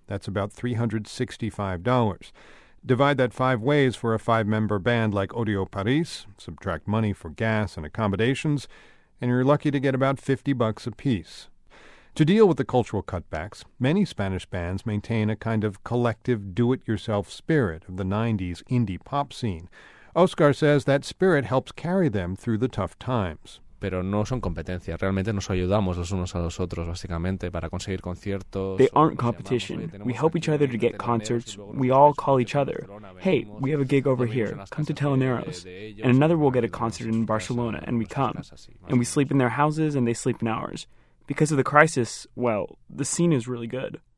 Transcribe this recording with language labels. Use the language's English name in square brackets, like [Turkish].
[English] That's about $365. Divide that five ways for a five-member band like Odio Paris, subtract money for gas and accommodations, and you're lucky to get about $50 apiece. To deal with the cultural cutbacks, many Spanish bands maintain a kind of collective do-it-yourself spirit of the 90s indie pop scene. Oscar says that spirit helps carry them through the tough times. [Spanish] Pero no son competencias. Realmente nos ayudamos los unos a los otros, básicamente, para conseguir conciertos. [English] They aren't competition. We help each other to get concerts. We all call each other. Hey, we have a gig over here. Come to Teloneros. And another will get a concert in Barcelona, and we come. And we sleep in their houses, and they sleep in ours. Because of the crisis, well, the scene is really good.